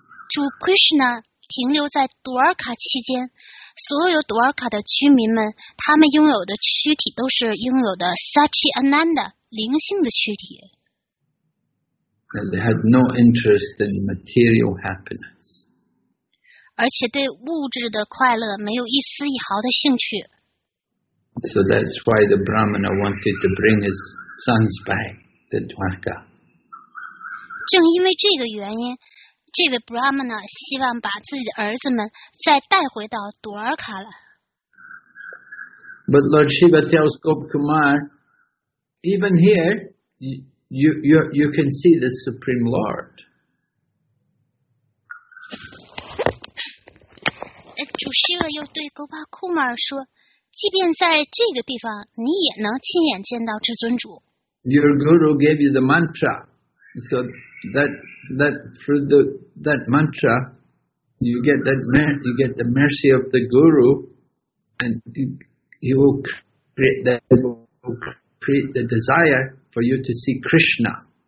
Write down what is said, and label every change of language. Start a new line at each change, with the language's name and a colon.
Chinese: 主 Krishna 停留在 Dwarka 期间，所有 Dwarka 的居民们，他们拥有的躯体都是拥有的 Satchidananda 灵性的躯体。
English: And they had no interest in material happiness.
Chinese: 而且对物质的快乐没有一丝一毫的兴趣。
English: So that's why the Brahmana wanted to bring his sons back to Dwarka.
Chinese: 正因为这个原因，这位 Brahmana 希望把自己的儿子们再带回到 Dwarka 了。
English: But Lord Shiva tells Gopkumar, even here, you can see the Supreme Lord.
Chinese: 主师傅又对格巴库马尔说，即便在这个地方，你也能亲眼见到至尊主。
English: Your guru gave you the mantra, so that through that mantra, you get the mercy of the guru, and he will create the desire for you to see Krishna.